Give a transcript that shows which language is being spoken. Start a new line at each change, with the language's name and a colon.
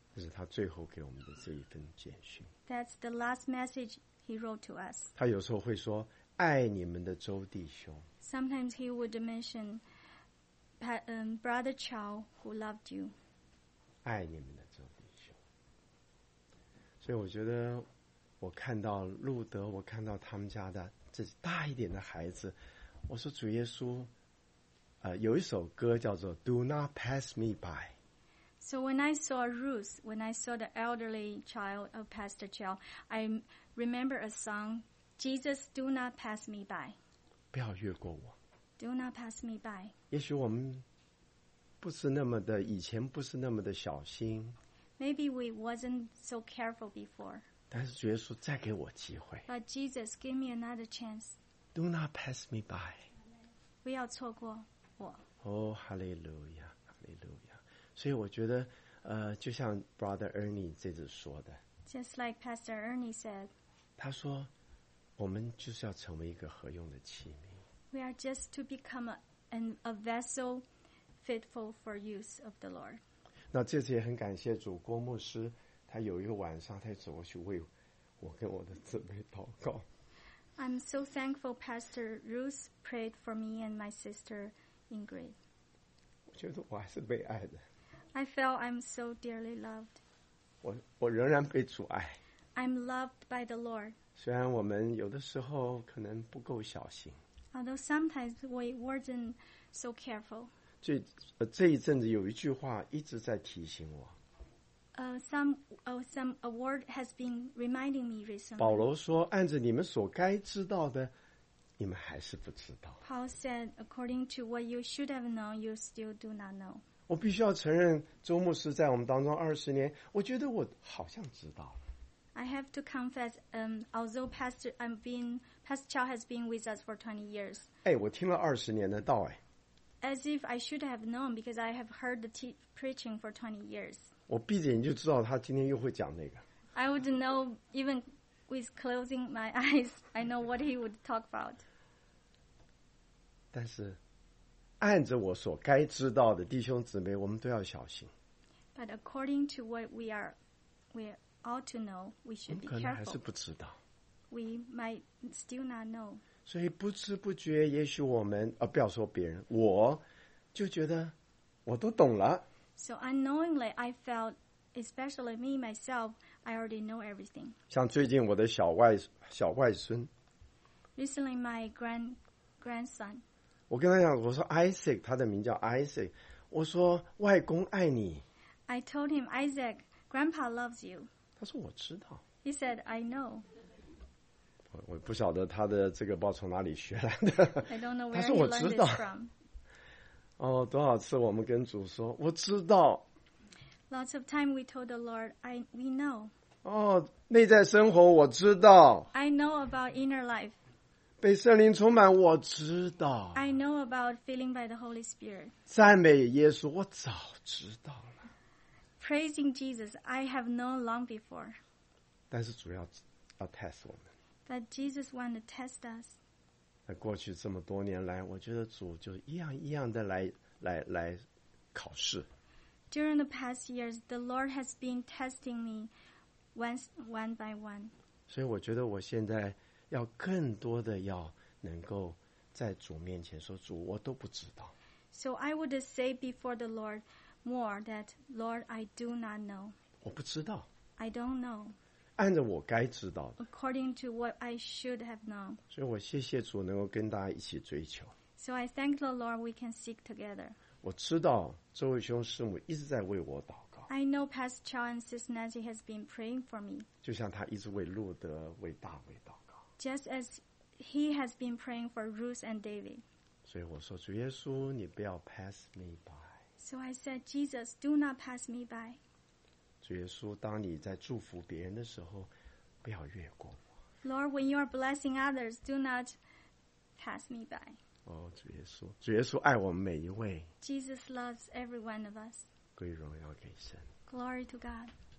Chinese: 这是他最后给我们的这一份简讯。
English: That's the last message he wrote to us.
Chinese: 他有时候会说，爱你们的周弟兄。
English: Sometimes he would mention, Brother Chow, who loved you.
Chinese: 爱你们的周弟兄。所以我觉得，我看到路德，我看到他们家的这大一点的孩子，我说主耶稣，有一首歌叫做
English: Do Not Pass Me By。 So when I saw Ruth, when I saw the elderly child of Pastor Chow, I remember a song, Jesus, do not pass me by.
Chinese: 不要越过我。
English: Do not pass me by.
Chinese: 也许我们不是那么的，以前不是那么的小心。
English: Maybe we wasn't so careful before.
Chinese: 但是主耶稣再给我机会。
English: But Jesus, give me another chance. Do not pass me by.
Chinese: 不要错过我。 Oh, hallelujah, hallelujah. 所以我觉得，就像 Brother Ernie 这次说的
English: ，Just like Pastor Ernie said，
Chinese: 他说，我们就是要成为一个合用的器皿。
English: We are just to become a vessel fitful for use of the Lord。
Chinese: 那这次也很感谢主，郭牧师，他有一个晚上，他走过去为我跟我的姊妹祷告。
English: I'm so thankful, Pastor Ruth prayed for me and my sister Ingrid。
Chinese: 我觉得我还是被爱的。
English: I felt I'm so dearly loved.
Chinese: 我仍然被主爱。
English: I'm loved by the Lord.
Chinese: 虽然我们有的时候可能不够小心。
English: Although sometimes we weren't so careful.
Chinese: 这一阵子有一句话一直在提醒我。
English: A word has been reminding me recently.
Chinese: 保罗说，按着你们所该知道的，你们还是不知道。
English: Paul said, according to what you should have known, you still do not know.
Chinese: 我必须要承认，周牧师在我们当中20年，我觉得我好像知道。
English: I have to confess, although Pastor Chow has been with us for 20 years.
Chinese: 哎，我听了20年的道哎。
English: As if I should have known, because I have heard the preaching for 20 years.
Chinese: 我闭着眼就知道他今天又会讲那个。
English: I would know even with closing my eyes, I know what he would talk about.
Chinese: 但是。按着我所该知道的，弟兄姊妹，我们都要小心。
English: But according to what we ought to know, we should be careful.
Chinese: 我们可能还是不知道。
English: We might still not know.
Chinese: 所以不知不觉，也许我们不要说别人，我就觉得我都懂了。
English: So unknowingly, I felt, especially me myself, I already know everything.
Chinese: 像最近我的小外孙。
English: Recently, my grandson.
Chinese: 我跟他讲，我说 Isaac， 他的名叫 Isaac。我说外公爱你。
English: I told him Isaac, Grandpa loves you。
Chinese: 他说我知道。
English: He said I know。
Chinese: 我不晓得他的这个报从哪里学来的。
English: I don't know where
Chinese: 他说我知道。哦，多少次我们跟主说我知道。
English: Lots of time we told the Lord, we know。
Chinese: 哦，内在生活我知道。
English: I know about inner life。
Chinese: 被圣灵充满，我知道。
English: I know about feeling by the Holy Spirit.
Chinese: 赞美耶稣，我早知道了。
English: Praising Jesus, I have known long before.
Chinese: 但是主要 test 我们。
English: But Jesus wanted to test us.
Chinese: 那过去这么多年来，我觉得主就一样一样的来考试。
English: During the past years, the Lord has been testing me one by one.
Chinese: 所以我觉得我现在。要更多的要能够在主面前说主我都不知道。
English: So I would say before the Lord more that Lord I do not know.
Chinese: 我不知道。
English: I don't know.
Chinese: 按着我该知道的。
English: According to what I should have known.
Chinese: 所以我谢谢主能够跟大家一起追求。
English: So I thank the Lord we can seek together.
Chinese: 我知道周慧兄师母一直在为我祷告。
English: I know Pastor Chow and Sister Nancy has been praying for me.
Chinese: 就像他一直为路德为大卫祷告。
English: Just as he has been praying for Ruth and David.
Chinese: 所以我说主耶稣你不要
English: pass me by. So I said, Jesus, do not pass me by.
Chinese: 主耶稣，当你在祝福别人的时候，不要越过我。
English: Lord, when you are blessing others, do not pass me by.
Chinese: 哦，主耶稣，主耶稣爱我们每一位。
English: Jesus loves every one of us.
Chinese: 归荣耀给神。
English: Glory to God.